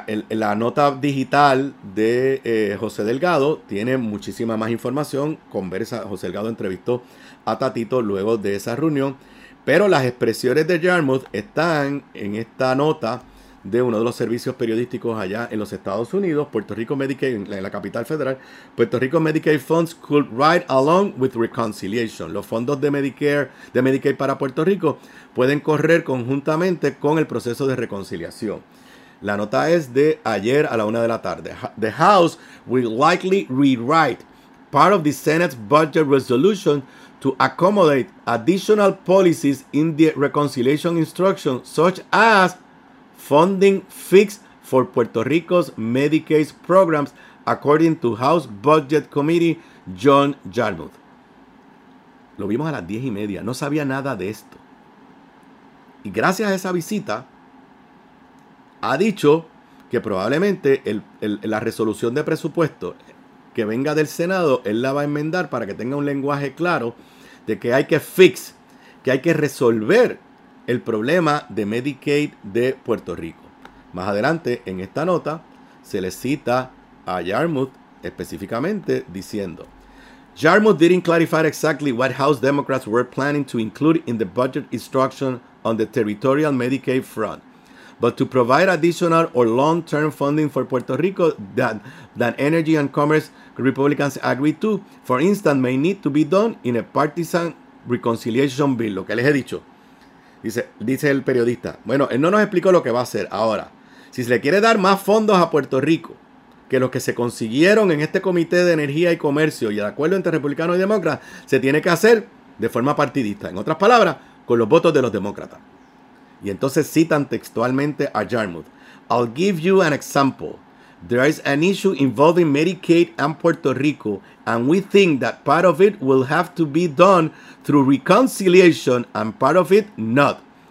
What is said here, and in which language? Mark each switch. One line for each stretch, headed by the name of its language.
Spanish: La nota digital de José Delgado tiene muchísima más información. José Delgado entrevistó a Tatito luego de esa reunión. Pero las expresiones de Yarmuth están en esta nota de uno de los servicios periodísticos allá en los Estados Unidos, Puerto Rico Medicaid, en la capital federal.
English: Puerto Rico Medicaid Funds could ride along with reconciliation.
Spanish: Los fondos de Medicaid para Puerto Rico pueden correr conjuntamente con el proceso de reconciliación. La nota es de ayer a la 1:00 p.m.
English: The House will likely rewrite part of the Senate's budget resolution to accommodate additional policies in the reconciliation instruction, such as funding fix for Puerto Rico's Medicaid programs, according to House Budget Committee John Yarmuth.
Spanish: Lo vimos a las 10:30. No sabía nada de esto. Y gracias a esa visita, ha dicho que probablemente la resolución de presupuesto que venga del Senado, él la va a enmendar para que tenga un lenguaje claro de que hay que fix, que hay que resolver el problema de Medicaid de Puerto Rico. Más adelante, en esta nota, se le cita a Yarmuth específicamente diciendo:
English: Yarmuth didn't clarify exactly what House Democrats were planning to include in the budget instruction on the territorial Medicaid front, but to provide additional or long-term funding for Puerto Rico that energy and commerce Republicans agreed to, for instance, may need to be done in a partisan reconciliation bill.
Spanish: Lo que les he dicho. Dice el periodista, bueno, él no nos explicó lo que va a hacer. Ahora, si se le quiere dar más fondos a Puerto Rico que los que se consiguieron en este Comité de Energía y Comercio y el acuerdo entre republicanos y demócratas, se tiene que hacer de forma partidista. En otras palabras, con los votos de los demócratas. Y entonces citan textualmente a Yarmuth.
English: I'll give you an example. There is an issue involving Medicaid and Puerto Rico, and we think that part of it will have to be done through reconciliation and part of it not.